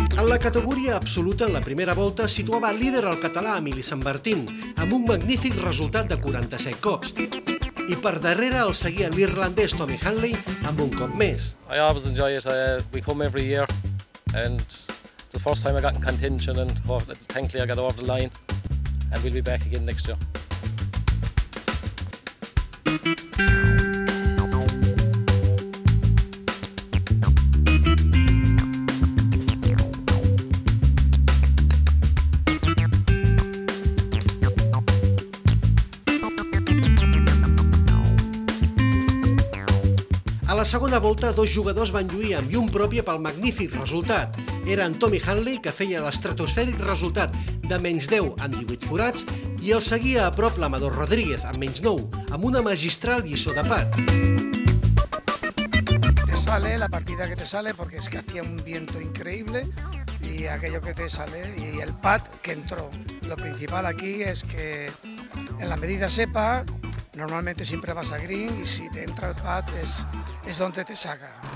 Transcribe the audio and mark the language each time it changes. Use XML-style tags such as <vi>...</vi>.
<ca>La categoria absoluta en la primera volta situava líder el català Emili Sanmartín, amb un magnífic resultat de 47 cops. I per darrere el seguia l'irlandès Tommy Hanley amb un cop més.</ca> <en>I always enjoy it. We come every year and the first time I got in contention and thankfully I got over the line and we'll be back again next year.</en> <ca>A la segona volta, dos jugadors van lluir amb llum pròpia pel magnífic resultat. Era en Tommy Hanley, que feia l'estratosfèric resultat de menys 10 en 18 forats, i el seguia a prop l'Amador Rodríguez, amb menys 9, amb una magistral lliçó de pat.</ca> <es>Te sale la partida que te sale, porque es que hacía un viento increíble, y aquello que te sale, y el pat que entró. Lo principal aquí es que, en la medida sepa, normalmente siempre vas a green y si te entra el pat es donde te saca.</es>